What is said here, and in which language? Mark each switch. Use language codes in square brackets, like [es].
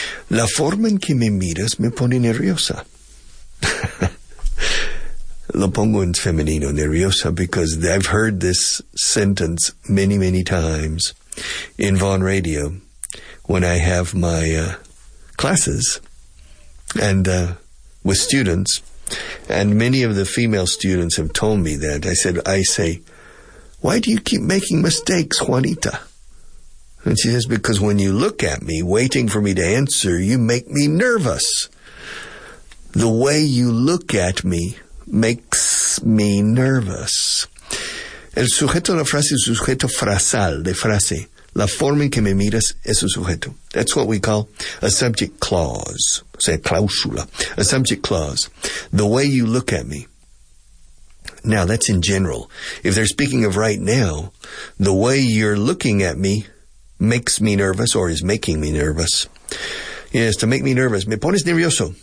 [es] La forma en que me miras me pone nerviosa. Lo pongo en femenino, nerviosa, [en] because I've heard this sentence many, many times in Vaughn Radio when I have my classes and with students. And many of the female students have told me that. I say, why do you keep making mistakes, Juanita? And she says, because when you look at me waiting for me to answer, you make me nervous. The way you look at me makes me nervous. [es] El sujeto de la frase es sujeto frasal de frase. La forma en que me miras es un sujeto. [en] That's what we call a subject clause. [es] O sea, cláusula. [en] A subject clause. The way you look at me. Now, that's in general. If they're speaking of right now, the way you're looking at me makes me nervous or is making me nervous. Yes, to make me nervous. [es] Me pones nervioso.